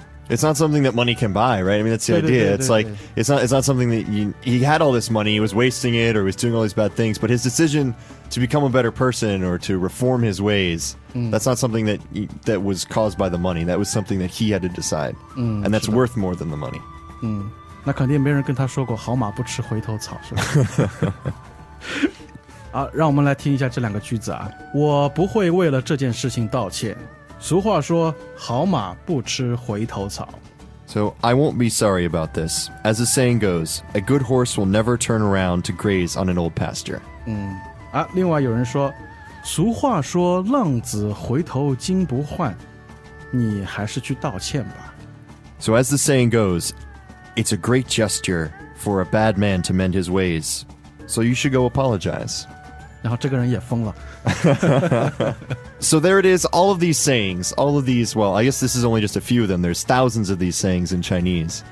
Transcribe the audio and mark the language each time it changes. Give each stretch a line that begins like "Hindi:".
English: It's not something that money can buy, right? I mean, that's the idea. It's like, it's not something that he had all this money, he was wasting it, or he was doing all these bad things, but his decision to become a better person or to reform his ways, that's not something that was caused by the money. That was something that he had to decide. And that's worth more than the money.
Chinese: 那肯定没人跟他说过好马不吃回头草，是吧？啊，让我们来听一下这两个句子啊。我不会为了这件事情道歉。俗话说，好马不吃回头草。
English: So I won't be sorry about this. As the saying goes, a good horse will never turn around to graze on an old pasture.
Chinese: 另外有人说，俗话说浪子回头金不换，你还是去道歉吧。
English: So as the saying goes, it's a great gesture for a bad man to mend his ways. So you should go apologize.
Chinese: 然后这个人也疯了。
English: So there it is, all of these sayings, all of these, well, I guess this is only just a few of them. There's thousands of these sayings in Chinese.